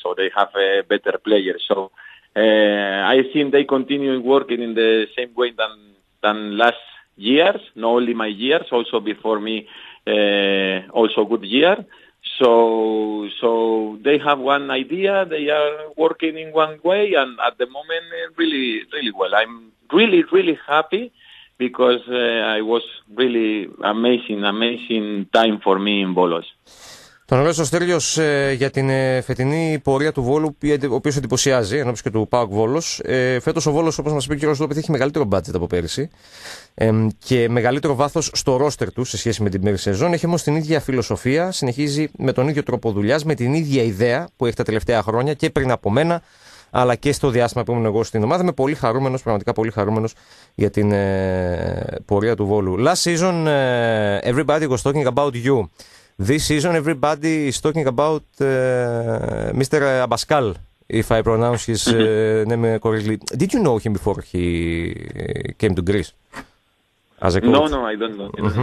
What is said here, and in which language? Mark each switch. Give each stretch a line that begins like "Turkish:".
English: So they have a better player. So. I think they continue working in the same way than last years, not only my years, also before me, also good year. So they have one idea, they are working in one way, and at the moment, really, really well. I'm really, really happy because I was really amazing time for me in Bolos.
Greek: Τον ρώτησε ο Στέλιος για την φετινή πορεία του Βόλου, ο οποίος εντυπωσιάζει, ενώπιον και του ΠΑΟΚ Βόλος. Φέτος ο Βόλος, όπως μας είπε και ο κ. Στόπιθ, έχει μεγαλύτερο μπάτζετ από πέρυσι και μεγαλύτερο βάθος στο ρόστερ του σε σχέση με την πέρυσι σεζόν. Έχει όμως την ίδια φιλοσοφία, συνεχίζει με τον ίδιο τρόπο δουλειάς, με την ίδια ιδέα που έχει τα τελευταία χρόνια και πριν από μένα, αλλά και στο διάστημα που ήμουν εγώ στην ομάδα. Είμαι πολύ χαρούμενος, πραγματικά πολύ χαρούμενος για την πορεία του Βόλου.
English: Last season, everybody was talking about you. This season, everybody is talking about Mr. Abascal, if I pronounce his name correctly. Did you know him before he came to Greece? As a coach? No, no, I don't know. Mm-hmm.